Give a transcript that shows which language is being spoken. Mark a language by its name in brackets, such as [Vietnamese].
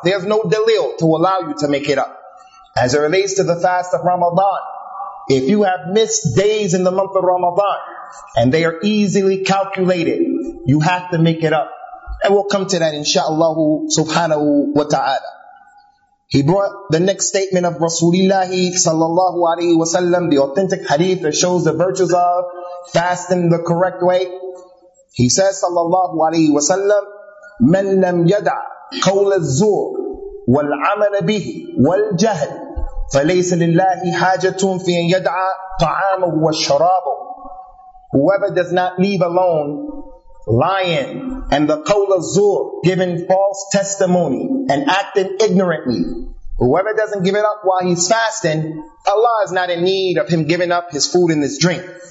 [English] There's no dalil to allow you to make it up. As it relates to the fast of Ramadan, if you have missed days in the month of Ramadan and they are easily calculated, you have to make it up. And we'll come to that inshaAllah subhanahu wa ta'ala. He brought the next statement of Rasulullah sallallahu alayhi wa sallam, the authentic hadith that shows the virtues of fasting the correct way. He says [Arabic] sallallahu alayhi wa sallam, من لم يدع قول الزور والعمل به والجهل فليس لله حاجة في أن يدع طعامه وشرابه. [English] Whoever does not leave alone lying and the qawla zur, giving false testimony and acting ignorantly, whoever doesn't give it up while he's fasting, Allah is not in need of him giving up his food and his drink.